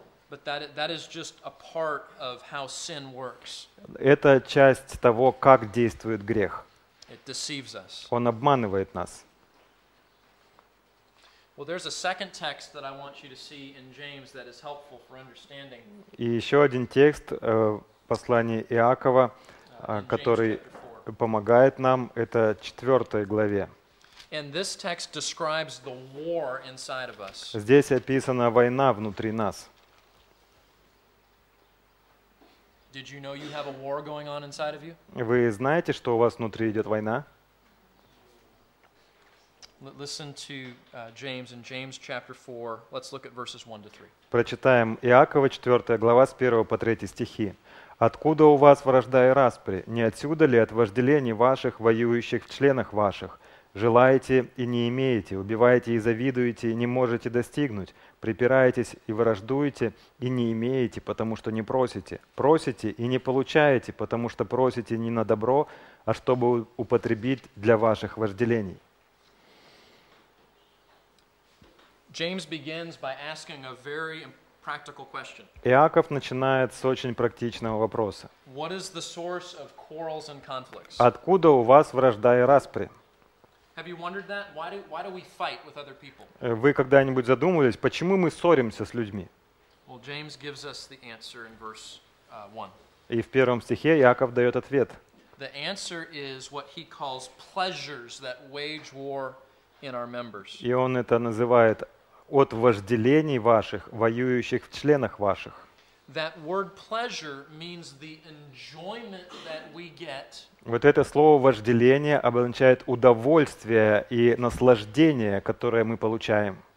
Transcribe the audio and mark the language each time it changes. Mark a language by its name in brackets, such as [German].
[English] But that is just a part of how sin works. [Russian] Это часть того, как действует грех. [English] It deceives us. [Russian] Он обманывает нас. [English] Well, there's a second text that I want you to see in James that is helpful for understanding. [Russian] И еще один текст в послании Иакова, который помогает нам, это 4 главе. [English] And this text describes the war inside of us. [Russian] Здесь описана война внутри нас. [English] Did you know you have a war going on inside of you? [Russian] Вы знаете, что у вас внутри идет война? [English] Listen to James in James chapter 4. Let's look at verses 1-3. [Russian] Прочитаем Иакова 4 глава с 1 по 3 стихи. Откуда у вас вражда и распри? Не отсюда ли от вожделений ваших, воюющих в членах ваших? Желаете и не имеете, убиваете и завидуете, и не можете достигнуть, припираетесь и враждуете, и не имеете, потому что не просите, просите и не получаете, потому что просите не на добро, а чтобы употребить для ваших вожделений. [English] James begins by asking a very practical question. [Russian] Иаков начинает с очень практичного вопроса. [English] What is the source of quarrels and conflicts? [Russian] Откуда у вас вражда и распри? [English] Have you wondered that? Why do we fight with other people? [Russian] Вы когда-нибудь задумывались, почему мы ссоримся с людьми? [English] Well, James gives us the answer in verse 1. [Russian] И в первом стихе Иаков дает ответ. [English] The answer is what he calls pleasures that wage war in our members. [Russian] И он это называет от вожделений ваших, воюющих в членах ваших. [English] That word pleasure means the enjoyment that we get. [Russian] Вот это слово «вожделение» обозначает удовольствие и наслаждение, которое мы получаем.